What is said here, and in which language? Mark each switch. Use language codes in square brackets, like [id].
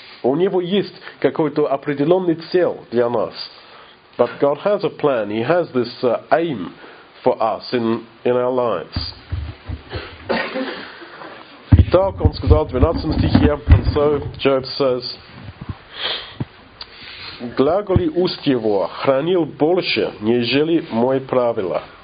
[ru] У Него есть какой-то определенный цель для нас. [en] But God has a plan. He has this aim for us in our lives. [ru] Итак, он сказал в 12 стихе, [en] and so Job says, [ru] глаголи уст его хранил больше, нежели мои правила.